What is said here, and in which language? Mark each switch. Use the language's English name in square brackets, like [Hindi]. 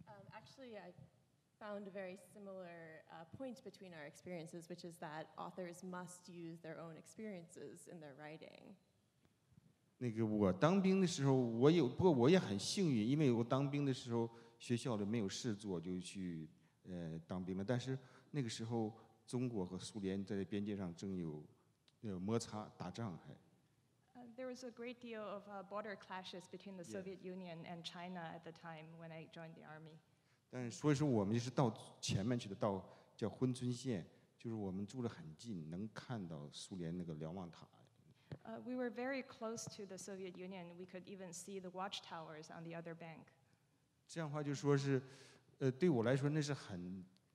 [English] Actually, I found a very similar point between our experiences, which is that authors must use their own experiences in their writing. [Chinese] 那个我当兵的时候，我也很幸运，因为我当兵的时候学校里没有事做，就去当兵了，但是。那个时候，中国和苏联在边界上正有摩擦、打仗还。 [English] There was a great deal of border clashes between the Soviet Union and China at the time when I joined the army. [Chinese] 但所以说，我们就是到前面去的，到叫珲春县，就是我们住得很近，能看到苏联那个瞭望塔。 [English] We were very close to the Soviet Union. We could even see the watchtowers on the other bank. [Chinese] 这样的话就说是，对我来说那是很。